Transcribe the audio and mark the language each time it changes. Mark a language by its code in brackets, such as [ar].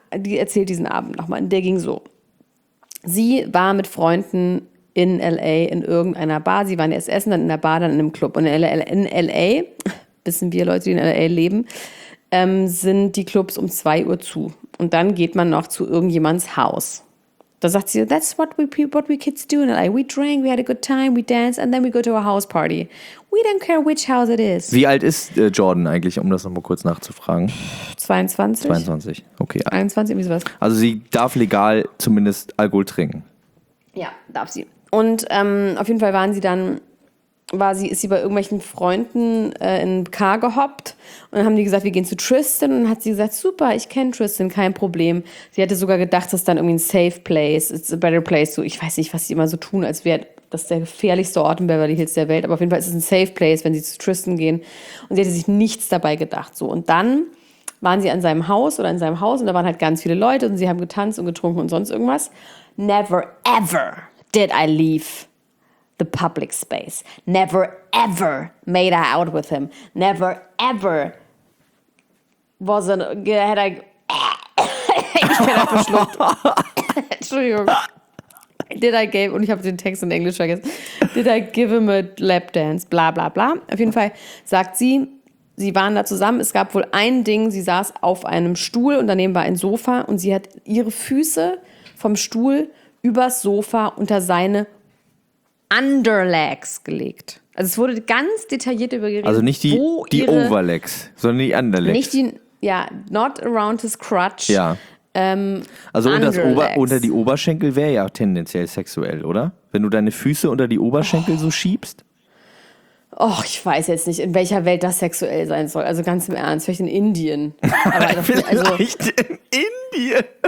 [de] Die erzählt diesen Abend noch mal. Und der ging so. Sie war mit Freunden in L.A. in irgendeiner Bar. Sie waren erst essen, dann in der Bar, dann in einem Club. Und in L.A., wissen wir Leute, die in L.A. leben, sind die Clubs um 2 Uhr zu. Und dann geht man noch zu irgendjemands Haus. Da sagt sie, [en] that's what we kids do in L.A. We drank, we had a good time, we danced and then we go to a house party. We don't care which house it is. [de] Wie alt ist Jordan eigentlich, um das nochmal kurz nachzufragen? 22, okay. 21, irgendwie sowas. Also sie darf legal zumindest Alkohol trinken. Ja, darf sie. Und auf jeden Fall ist sie bei irgendwelchen Freunden in den Car gehoppt und dann haben die gesagt, wir gehen zu Tristan und dann hat sie gesagt, super, ich kenne Tristan, kein Problem. Sie hätte sogar gedacht, das ist dann irgendwie ein safe place, [en] it's a better place, [de] so ich weiß nicht, was sie immer so tun, als wäre das der gefährlichste Ort in Beverly Hills der Welt, aber auf jeden Fall ist es ein safe place, wenn sie zu Tristan gehen und sie hätte sich nichts dabei gedacht. So. Und dann waren sie an seinem Haus oder in seinem Haus und da waren halt ganz viele Leute und sie haben getanzt und getrunken und sonst irgendwas. [en] Never ever did I leave the public space. Never ever made I out with him. Never ever had I. [de] Ich bin einfach verschluckt. Entschuldigung. Und ich habe den Text in Englisch vergessen. [en] Did I give him a lap dance? Bla bla bla. [de] Auf jeden Fall sagt sie, sie waren da zusammen. Es gab wohl ein Ding, sie saß auf einem Stuhl und daneben war ein Sofa und sie hat ihre Füße vom Stuhl übers Sofa unter seine Underlegs gelegt. Also es wurde ganz detailliert über geredet. Also nicht die Overlegs, sondern die Underlegs. Nicht die, ja, [en] not around his crutch. [de] Ja. Also unter die Oberschenkel wäre ja tendenziell sexuell, oder? Wenn du deine Füße unter die Oberschenkel so schiebst. Och, ich weiß jetzt nicht, in welcher Welt das sexuell sein soll. Also ganz im Ernst, vielleicht in Indien. Vielleicht in Indien.